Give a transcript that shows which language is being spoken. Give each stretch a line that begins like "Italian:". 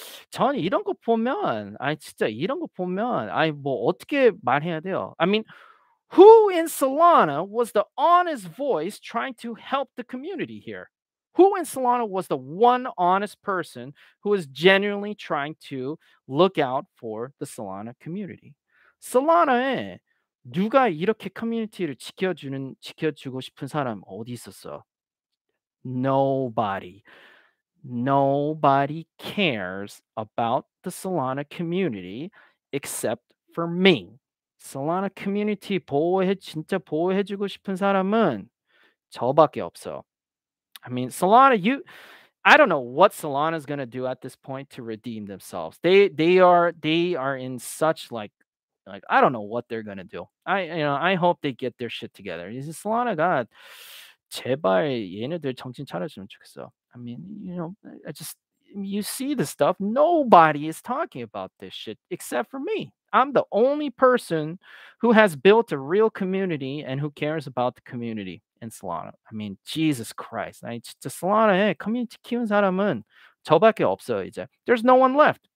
Korean: 저는 이런 거 보면, 진짜 이런 거 보면, 뭐 어떻게 말해야 돼요?
English: I mean, who in Solana was the honest voice trying to help the community here? Who in Solana was the one honest person who was genuinely trying to look out for the Solana community?
Korean: Solana에 누가 이렇게 커뮤니티를 지켜주고 싶은 사람 어디 있었어?
English: Nobody. Nobody cares about the Solana community except for me.
Korean: Solana community 진짜 보호해주고 싶은 사람은 저밖에 없어.
English: I mean, Solana, I don't know what Solana is going to do at this point to redeem themselves. They are in such like I don't know what they're going to do. I hope they get their shit together. Is Solana god?
Korean: 제발 얘네들 정신 차려주면 좋겠어.
English: I mean, you see the stuff. Nobody is talking about this shit except for me. I'm the only person who has built a real community and who cares about the community. In Solana. I mean, Jesus Christ. 아니, 진짜 Solana에 커뮤니티 키운 사람은 저밖에 없어, 이제. There's no one left.